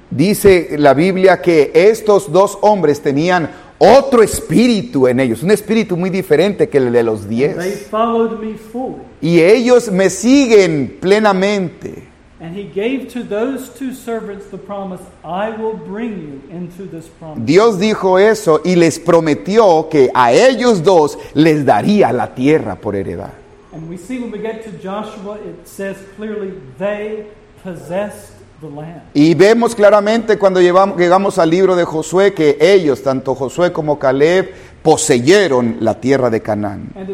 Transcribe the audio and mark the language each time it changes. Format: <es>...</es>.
<es>Dice la Biblia que estos dos hombres tenían otro espíritu en ellos, un espíritu muy diferente que el de los 10.</es> <en>They followed me fully.</en> <es>Y ellos me siguen plenamente.</es> <en>And he gave to those two servants the promise, I will bring you into this promise.</en> <es>Dios dijo eso y les prometió que a ellos dos les daría la tierra por heredad.</es> <en>And we see when we get to Joshua, it says clearly, they possessed.</en> <es>Y vemos claramente cuando llegamos al libro de Josué que ellos, tanto Josué como Caleb, poseyeron la tierra de Canaán.</es>